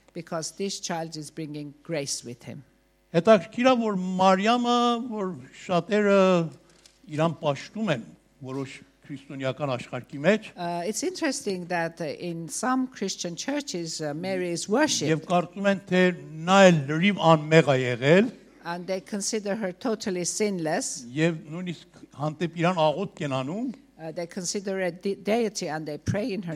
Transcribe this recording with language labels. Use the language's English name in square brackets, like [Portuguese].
[English] Because this child is bringing grace with him. [Armenian] Հետաքրքիր է, որ Մարիամը, որ շատերը իրան պաշտում են որոշ քրիստոնեական աշխարհի մեջ. [English] It's interesting that in some Christian churches Mary is worshipped. [Armenian] Եվ կարծում են, թե նա էլ լրիվ անմեղ է եղել. [English] And they consider her totally sinless. [Armenian] Եվ նույնիսկ հանդեպ իրան աղոթք են անում. [English] They consider a deity and they pray in her